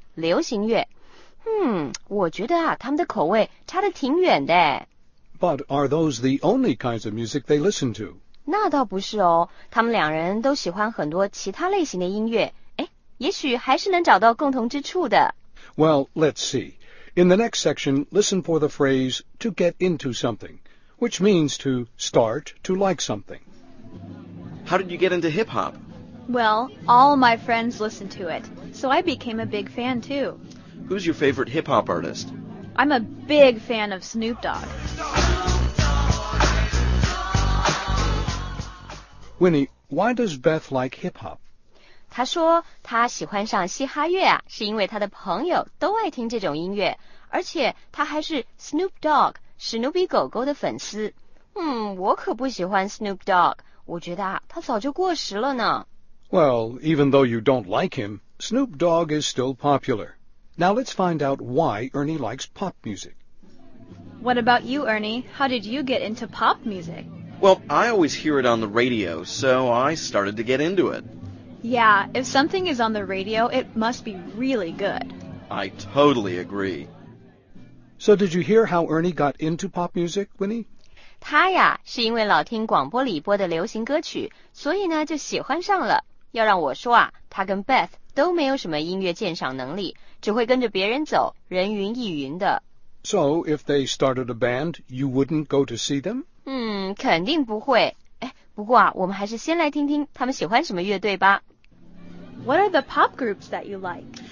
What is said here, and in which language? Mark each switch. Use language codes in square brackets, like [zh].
[zh] 流行乐，我觉得啊，他们的口味差得挺远的。 [en] But are those the only kinds of music they listen to? [zh] 那倒不是哦，他们两人都喜欢很多其他类型的音乐。哎，也许还是能找到共同之处的。 [en] Well, let's see. In the next section, listen for the phrase to get into something, which means to start to like something. How did you get into hip-hop? Well, all my friends listen to it, so I became a big fan too. Who's your favorite hip-hop artist? I'm a big fan of Snoop Dogg. Winnie, why does Beth like hip-hop? [zh] 她说她喜欢上嘻哈乐啊，是因为她的朋友都爱听这种音乐，而且她还是 Snoop Dogg, 史努比狗狗的粉丝。我可不喜欢 Snoop Dogg, 我觉得啊，他早就过时了呢。 [en] Well, even though you don't like him, Snoop Dogg is still popular. Now let's find out why Ernie likes pop music. What about you, Ernie? How did you get into pop music? Well, I always hear it on the radio, so I started to get into it. Yeah, if something is on the radio, it must be really good. I totally agree. So did you hear how Ernie got into pop music, Winnie? [zh] 他呀，是因为老听广播里播的流行歌曲，所以呢就喜欢上了。要让我说啊，他跟 Beth 都没有什么音乐鉴赏能力，只会跟着别人走，人云亦云的。 [en] So if they started a band, you wouldn't go to see them? [zh] 肯定不会。哎，不过啊，我们还是先来听听他们喜欢什么乐队吧。 [en] What are the pop groups that you like?